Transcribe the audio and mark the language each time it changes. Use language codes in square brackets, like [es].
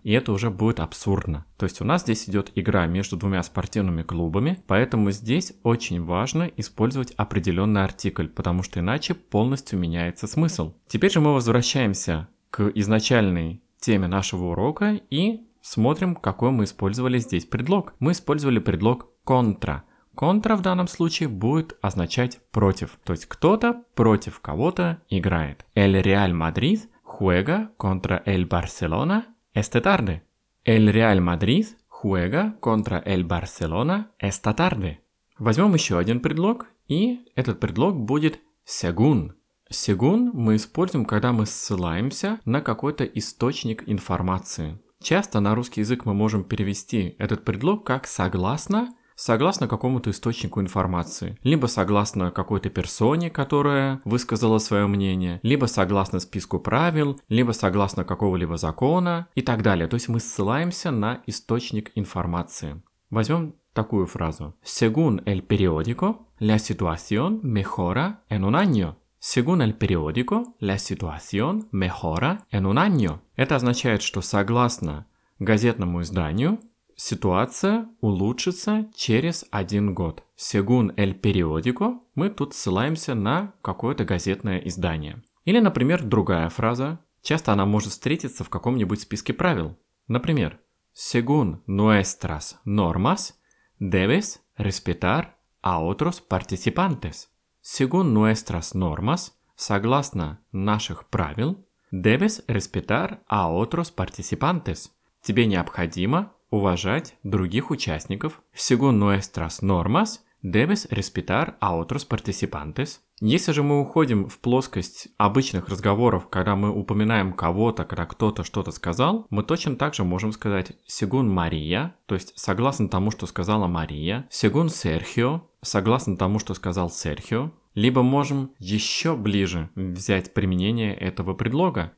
[ru] И это уже будет абсурдно. То есть у нас здесь идет игра между двумя спортивными клубами, поэтому здесь очень важно использовать определенный артикль, потому что иначе полностью меняется смысл. Теперь же мы возвращаемся к изначальной теме нашего урока и смотрим, какой мы использовали здесь предлог. Мы использовали предлог «contra». «Contra» в данном случае будет означать «против». То есть кто-то против кого-то играет. [es] «El Real Madrid juega contra el Barcelona esta tarde». «El Real Madrid juega contra el Barcelona esta tarde». [ru] Возьмем еще один предлог, и этот предлог будет «según». «Según» мы используем, когда мы ссылаемся на какой-то источник информации. Часто на русский язык мы можем перевести этот предлог как «согласно», «согласно какому-то источнику информации», либо «согласно какой-то персоне, которая высказала свое мнение», либо «согласно списку правил», либо «согласно какого-либо закона» и так далее. То есть мы ссылаемся на источник информации. Возьмем такую фразу. [es] «Según el periódico, la situación mejora en un año». Según el periódico, la situación mejora en un año. [ru] Это означает, что согласно газетному изданию, ситуация улучшится через один год. [es] Según el periódico, [ru] мы тут ссылаемся на какое-то газетное издание. Или, например, другая фраза. Часто она может встретиться в каком-нибудь списке правил. Например, [es] según nuestras normas, debes respetar a otros participantes. Según nuestras normas, [ru] согласно наших правил, [es] debes respetar a otros participantes. [ru] Тебе необходимо уважать других участников. [es] Según nuestras normas, debes respetar a otros participantes. [ru] Если же мы уходим в плоскость обычных разговоров, когда мы упоминаем кого-то, когда кто-то что-то сказал, мы точно так же можем сказать «según Мария», то есть согласно тому, что сказала Мария, «según Sergio», согласно тому, что сказал Sergio, либо можем еще ближе взять применение этого предлога.